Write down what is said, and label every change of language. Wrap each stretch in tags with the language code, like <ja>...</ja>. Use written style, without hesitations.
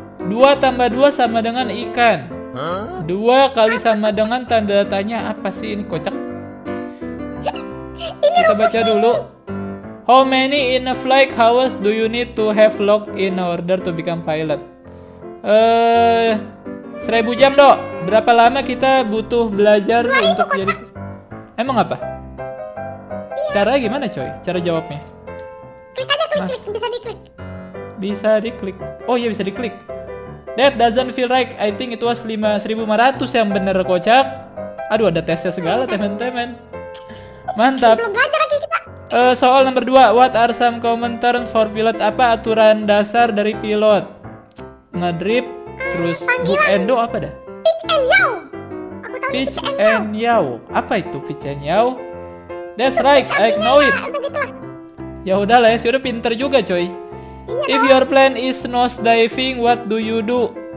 <id>2 tambah 2 sama dengan ikan. 2 kali sama dengan tanda tanya. Apa sih ini kocak? Kita baca dulu.</id> <en>How many in a flight hours do you need to have locked in order to become pilot?</en> <id>1000 jam dok. Berapa lama kita butuh belajar untuk jadi? Emang apa? Iya Caranya gimana coy? Cara jawabnya? Klik aja, klik, klik. Bisa diklik. Bisa diklik. Oh iya, bisa diklik.</id> <en>That doesn't feel right. I think it was 5.500</en> <id>yang bener kocak. Aduh, ada tesnya segala, teman-teman. Mantap. Belum belajar lagi kita. Soal nomor 2,</id> <en>what are some common terms for pilot?</en> <id>Apa aturan dasar dari pilot? Ngedrip, terus hook and yaw apa dah? Pitch and yaw. Aku tahu</id> <en>pitch and yaw.</en> <id>Apa itu</id> <en>pitch and yaw? That's right, I know it.</en> <id>Ya udah lah, sudah pinter juga coy.</id> <en>If your plan is nose diving, what do you do?</en>